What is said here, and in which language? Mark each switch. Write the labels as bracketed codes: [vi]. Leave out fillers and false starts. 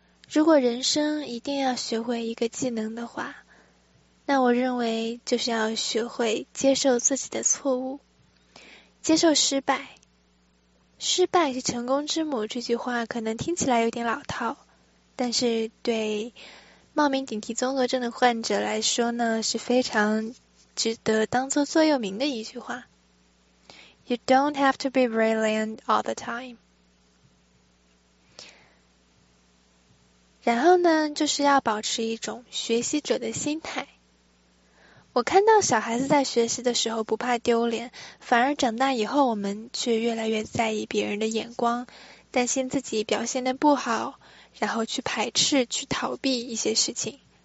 [zh] 如果人生一定要学会一个技能的话，那我认为就是要学会接受自己的错误，接受失败。失败是成功之母这句话可能听起来有点老套，但是对冒名顶替综合症的患者来说呢，是非常值得当做座右铭的一句话。 [en] You don't have to be brilliant all the time。 [zh] 然后呢，就是要保持一种学习者的心态。我看到小孩子在学习的时候不怕丢脸，反而长大以后我们却越来越在意别人的眼光，担心自己表现得不好，然后去排斥、去逃避一些事情。